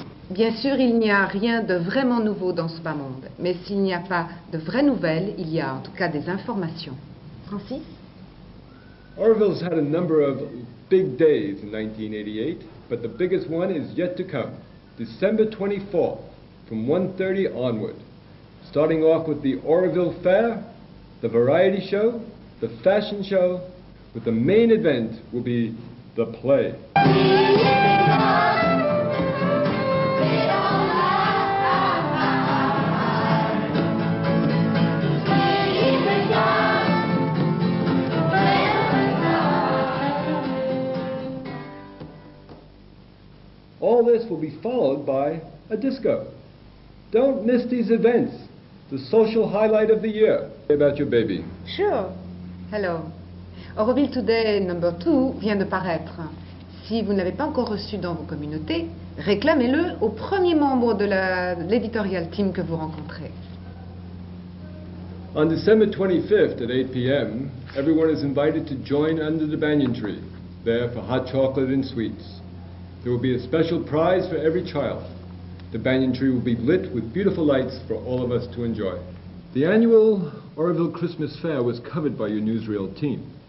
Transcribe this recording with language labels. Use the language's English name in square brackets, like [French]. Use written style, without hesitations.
[French] Bien sûr, il n'y a rien de vraiment nouveau dans ce bas monde. Mais s'il n'y a pas de vraies nouvelles, il y a en tout cas des informations. Francis? [English] Auroville's had a number of big days in 1988, but the biggest one is yet to come. December 24th, from 1:30 onward. Starting off with the Auroville Fair, the variety show, the fashion show, with the main event will be the play. All this will be followed by a disco. Don't miss these events, the social highlight of the year. Say about your baby. Sure. Hello. Auroville Today number 2 [French] vient de paraître. Si vous ne l'avez pas encore reçu dans vos communautés, réclamez-le au premier membre de l'éditorial team que vous rencontrez. [English] On December 25th at 8 p.m., everyone is invited to join Under the Banyan Tree, there for hot chocolate and sweets. There will be a special prize for every child. The banyan tree will be lit with beautiful lights for all of us to enjoy. The annual Auroville Christmas Fair was covered by your newsreel team.